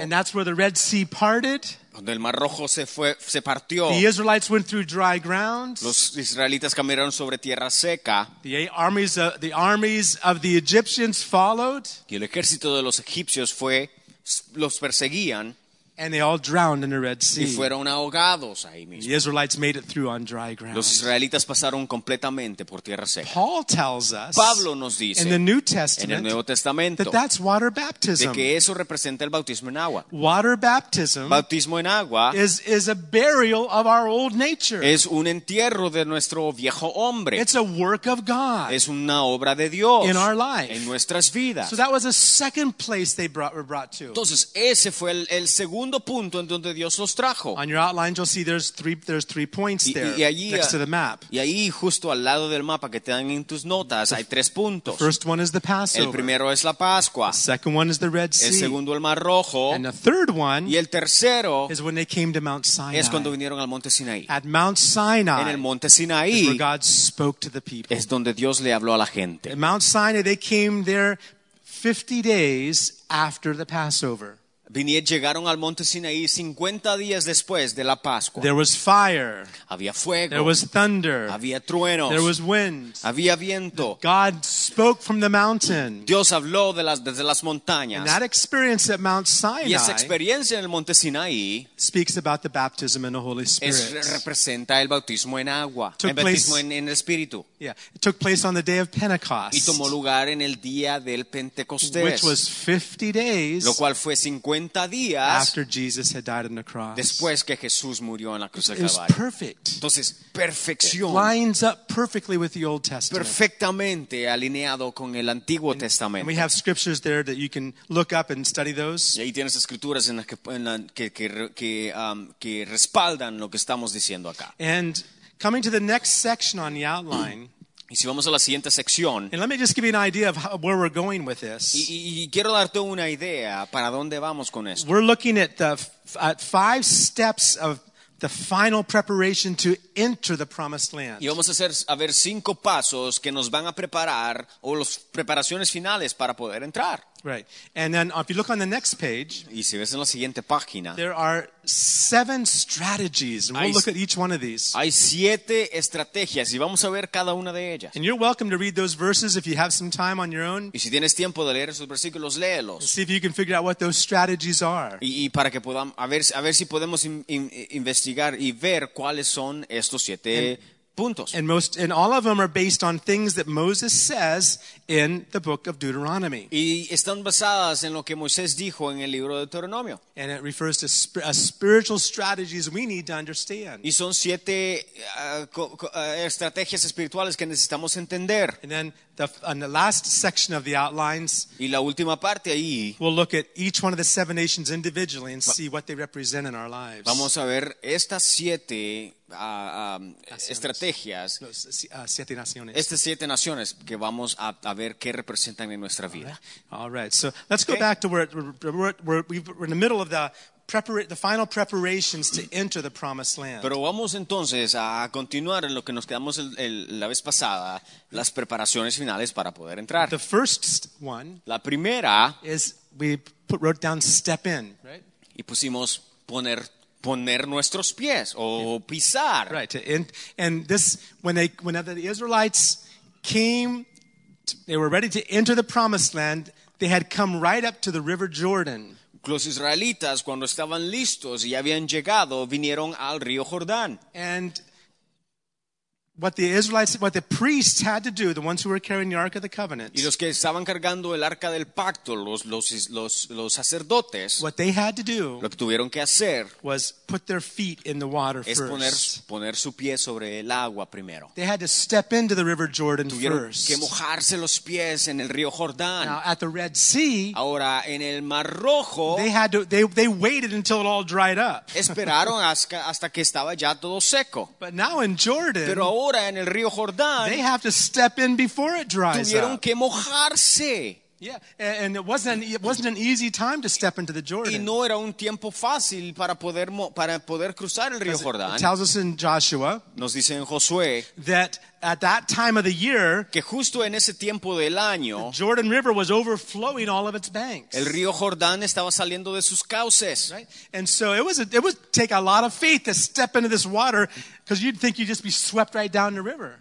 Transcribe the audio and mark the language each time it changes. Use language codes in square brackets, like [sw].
[en] And that's where the Red Sea parted. [es] Cuando el Mar Rojo se partió. [en] The Israelites went through dry ground. [es] Los israelitas caminaron sobre tierra seca. [en] The armies of the Egyptians followed. [es] Y el ejército de los egipcios fue los perseguían, [en] and they all drowned in the Red Sea. [es] Y fueron ahogados ahí mismo. [en] The Israelites made it through on dry ground. [es] Los israelitas pasaron completamente por tierra seca. [en] Paul tells us, [es] Pablo nos dice, [en] in the New Testament, [es] en el Nuevo Testamento, [en] that that's water baptism. [es] De que eso representa el bautismo en agua. [en] Water baptism, [es] bautismo en agua, [en] is a burial of our old nature. [es] Es un entierro de nuestro viejo hombre. [en] It's a work of God. [es] Es una obra de Dios [en] in our life, [es] en nuestras vidas. [en] So that was a second place they were brought to. [es] Entonces ese fue el segundo punto en donde Dios los trajo. [en] On your outline you'll see there's three points there next to the map. [es] Y ahí justo al lado del mapa que te dan en tus notas hay tres puntos. [en] The first one is the Passover. [es] El primero es la Pascua. [en] The second one is the Red Sea. [es] El segundo el Mar Rojo. [en] And the third one, [es] y el tercero, [en] is when they came to Mount Sinai. [es] Es cuando vinieron al Monte Sinaí. [en] At Mount Sinai, [es] en el Monte Sinaí, [en] is where God spoke to the people. [es] Es donde Dios le habló a la gente. [en] At Mount Sinai they came there 50 days after the Passover. [es] Llegaron al monte Sinaí 50 días después de la Pascua. [en] There was fire. [es] Había fuego. [en] There was thunder. [es] Había truenos. [en] There was wind. [es] Había viento. [en] God spoke from the mountain. [es] Dios habló desde las montañas. [en] And that experience at Mount Sinai, [es] y esa experiencia en el monte Sinaí, [en] speaks about the baptism in the Holy Spirit. [es] Es, representa el bautismo en agua, [en] took [es] el bautismo [en] place, [es] en el Espíritu. [en] Yeah, it took place on the day of Pentecost. [es] Y tomó lugar en el día del Pentecostés. [en] Which was 50 days. [es] Lo cual fue 50 días [en] after Jesus had died on the cross. [es] Después que Jesús murió en la cruz del [en] Calvario. It was perfect. [es] Entonces, perfección. [en] It lines up perfectly with the Old Testament. [es] Perfectamente alineado con el Antiguo Testamento. [en] And we have scriptures there that you can look up and study those. [es] Y ahí tienes escrituras en las que respaldan lo que estamos diciendo acá. [en] And coming to the next section on the outline. [es] Y si vamos a la siguiente sección. [en] And let me just give you an idea of where we're going with this. [es] Y quiero darte una idea para dónde vamos con esto. [en] We're looking at at five steps of the final preparation to enter the promised land. [es] Y vamos a ver cinco pasos que nos van a preparar o las preparaciones finales para poder entrar. [en] Right. And then if you look on the next page, [es] y si ves en la siguiente página, [en] there are seven strategies. And we'll look at each one of these. [es] Hay siete estrategias y vamos a ver cada una de ellas. [en] And you're welcome to read those verses if you have some time on your own. [es] Y si tienes tiempo de leer esos versículos, léelos. [en] See if you can figure out what those strategies are. [es] Y para que podamos a ver si podemos investigar y ver cuáles son estos siete puntos. [en] And all of them are based on things that Moses says in the book of Deuteronomy. [es] Y están basadas en lo que Moisés dijo en el libro de Deuteronomio. [en] And it refers to spiritual strategies we need to understand. [es] Y son siete estrategias espirituales que necesitamos entender. [en] And then on the last section of the outlines, [es] y la última parte ahí, [en] we'll look at each one of the seven nations individually and see what they represent in our lives. [es] Vamos a ver estas siete estrategias. Siete naciones. Estas siete naciones que vamos a ver qué representan en nuestra vida. [en] All right. So let's go back to where we're in the middle of the final preparations to enter the promised land. [es] Pero vamos entonces a continuar en lo que nos quedamos la vez pasada, las preparaciones finales para poder entrar. [en] The first one, [es] la primera, [en] is wrote down step in, right? [es] Y pusimos poner nuestros pies o pisar. [en] Right. And this when the Israelites came, they were ready to enter the promised land, they had come right up to the river Jordan. [es] Los israelitas, cuando estaban listos y habían llegado, vinieron al río Jordán. [en] And what the Israelites, what the priests had to do, the ones who were carrying the Ark of the Covenant. [es] Y los que estaban cargando el Arca del Pacto, los sacerdotes. [en] What they had to do. [es] Lo que tuvieron que hacer. [en] Was put their feet in the water first. [es] Es poner su pie sobre el agua primero. [en] They had to step into the River Jordan first. [es] Tuvieron que mojarse los pies en el río Jordán. [en] Now at the Red Sea. [es] Ahora en el Mar Rojo. [en] They waited until it all dried up. [es] Esperaron hasta que estaba ya todo seco. [en] But now in Jordan. [es] Pero ahora en el río Jordán, [en] they have to step in before it dries [es] tuvieron [en] up. [es] Que mojarse. [en] Yeah, and it wasn't an easy time to step into the Jordan. [es] Y no era un tiempo fácil para poder cruzar el río Jordán. [en] It tells us in Joshua, [es] nos dice en Josué, [en] that at that time of the year, [es] que justo en ese tiempo del año, [en] the Jordan River was overflowing all of its banks. [es] El río Jordán estaba saliendo de sus cauces. [en] Right? And so it would take a lot of faith to step into this water. Because you'd think you'd just be swept right down the river.